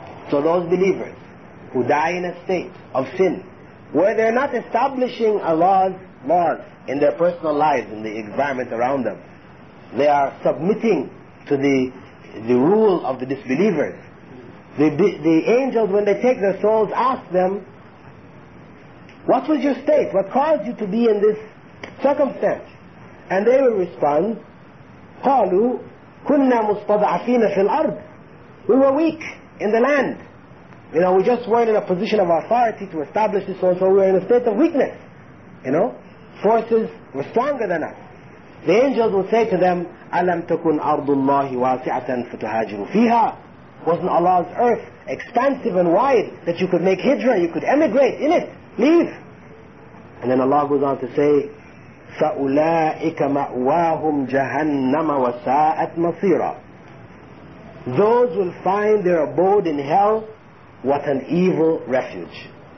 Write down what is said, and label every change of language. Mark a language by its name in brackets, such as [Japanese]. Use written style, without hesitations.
[English] So those believers who die in a state of sin, where they're not establishing Allah's laws in their personal lives, in the environment around them, they are submitting to the rule of the disbelievers. The angels, when they take their souls, ask them, what was your state? What caused you to be in this circumstance? And they will respond, [Arabic] قَالُوا كُنَّا مُسْتَضْعَفِينَ فِي الْأَرْضِ. [English] We were weak in the land. You know, we just weren't in a position of authority to establish this, so we were in a state of weakness. You know, forces were stronger than us. The angels will say to them, [Arabic] أَلَمْ تَكُنْ أَرْضُ اللَّهِ وَاسِعَةً فَتُهَاجِرُ فِيهَا. [English] Wasn't Allah's earth expansive and wide that you could make hijrah, you could emigrate in it, leave? And then Allah goes on to say, [Arabic] فَأُولَٰئِكَ مَأْوَاهُمْ جَهَنَّمَ وَسَاءَتْ مَصِيرًا. [English] Those will find their abode in hell, what an evil refuge.